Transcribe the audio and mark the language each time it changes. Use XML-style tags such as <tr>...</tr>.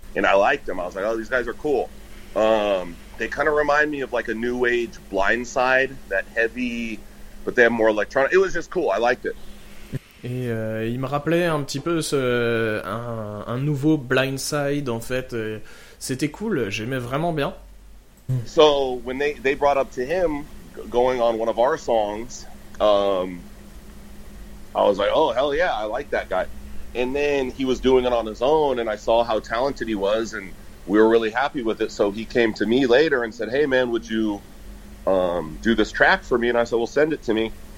<en>And I liked them. I was like, oh, these guys are cool. They kind of remind me of like a new age Blindside, that heavy, but they have more electronic. It was just cool. I liked it.</en> <fr>Et il me rappelait un petit peu un nouveau Blindside en fait. C'était cool. J'aimais vraiment bien.</fr> <en>So when they brought up to him going on one of our songs. I was like, oh hell yeah, I like that guy. And then he was doing it on his own, and I saw how talented he was, and we were really happy with it. So he came to me later and said, hey man, would you do this track for me? And I said, well, send it to me.</en>